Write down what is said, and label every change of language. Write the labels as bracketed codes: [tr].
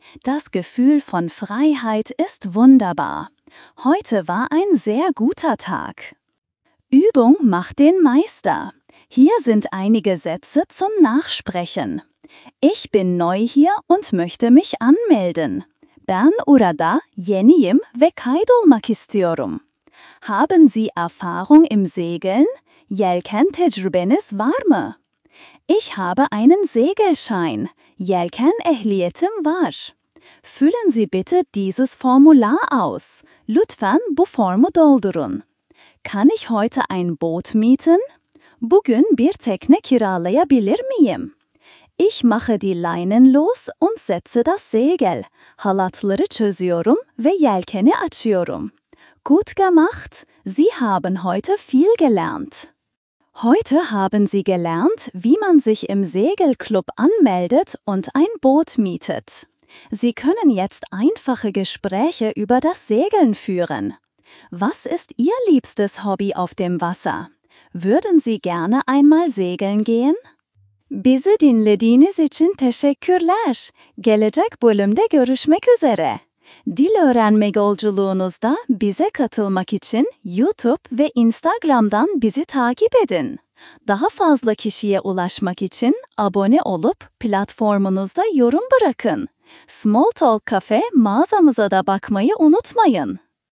[de] Das Gefühl von Freiheit ist wunderbar. Heute war ein sehr guter Tag. Übung macht den Meister. Hier sind einige Sätze zum Nachsprechen. Ich bin neu hier und möchte mich anmelden. [tr] Ben orada yeniyim ve kaydolmak istiyorum. [de] Haben Sie Erfahrung im Segeln? [tr] Yelken tecrübeniz var mı? [de] Ich habe einen Segelschein. [tr] Yelken ehliyetim var. [de] Füllen Sie bitte dieses Formular aus. [tr] Lütfen bu formu doldurun. [de] Kann ich heute ein Boot mieten? [tr] Bugün bir tekne kiralayabilir miyim? [de] Ich mache die Leinen los und setze das Segel. [tr] Halatları çözüyorum ve yelkeni açıyorum. [de] Gut gemacht! Sie haben heute viel gelernt. Heute haben Sie gelernt, wie man sich im Segelclub anmeldet und ein Boot mietet. Sie können jetzt einfache Gespräche über das Segeln führen. Was ist Ihr liebstes Hobby auf dem Wasser? Würden Sie gerne einmal segeln gehen? [tr] Bizi dinlediğiniz için teşekkürler. Gelecek bölümde görüşmek üzere. Dil öğrenme yolculuğunuzda bize katılmak için YouTube ve Instagram'dan bizi takip edin. Daha fazla kişiye ulaşmak için abone olup platformunuzda yorum bırakın. Small Talk Cafe mağazamıza da bakmayı unutmayın.